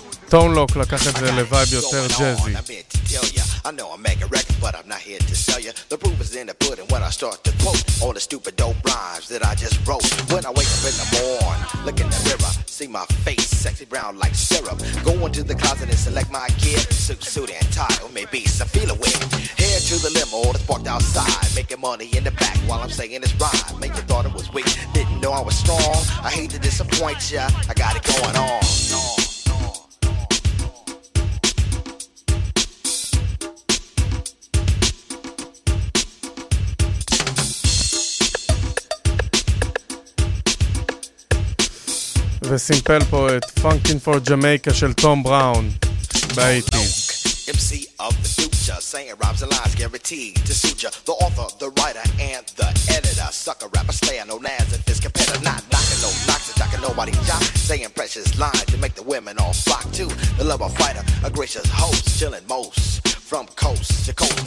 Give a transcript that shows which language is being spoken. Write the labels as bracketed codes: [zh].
[he] Tone Lock לקח את זה לווייב יותר ג'אזי. [en] I know I'm making records, but I'm not here to sell you. The proof is in the pudding when I start to quote all the stupid dope rhymes that I just wrote. When I wake up in the morning, look in the mirror, see my face, sexy brown like syrup. Go into the closet and select my gear, suit and tie, or maybe some feeler wear. Head to the limo that's parked outside, making money in the back while I'm saying this rhyme. Make you thought it was weak, didn't know I was strong. I hate to disappoint ya, I got it going on. [he] וסימפל פה את Funkin' for Jamaica של טום בראון ב-80s. [en] MC of the future, saying rhymes and lines guaranteed to suit ya. The author, the writer, and the editor. Sucker, rapper, slayer, no lands at this competitor. Not knocking no knocks, it's knocking nobody's job. Saying precious lines to make the women all flock too. The lover fighter, a gracious host, chilling most from coast to coast.